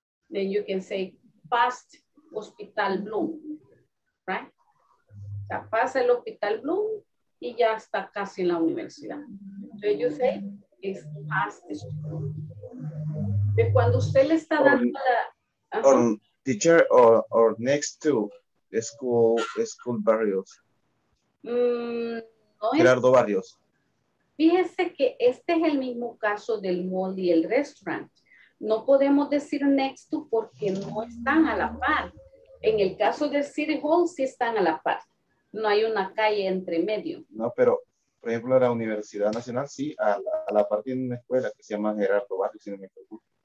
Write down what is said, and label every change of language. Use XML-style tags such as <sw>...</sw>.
<en>Then you can say past Hospital Bloom, right?</en> <es>O sea, pasa el Hospital Bloom y ya está casi en la universidad.</es> <en>So you say is past the school.</en> <es>De cuando usted le está dando la...</es> <en>Or teacher or next to the school Barrios.</en> <es>No es, Gerardo Barrios. Fíjese que este es el mismo caso del mall y el restaurant. No podemos decir next to porque no están a la par. En el caso del City Hall sí están a la par. No hay una calle entre medio. No, pero por ejemplo la Universidad Nacional sí a la par tiene una escuela que se llama Gerardo Barrios, si no me equivoco.</es>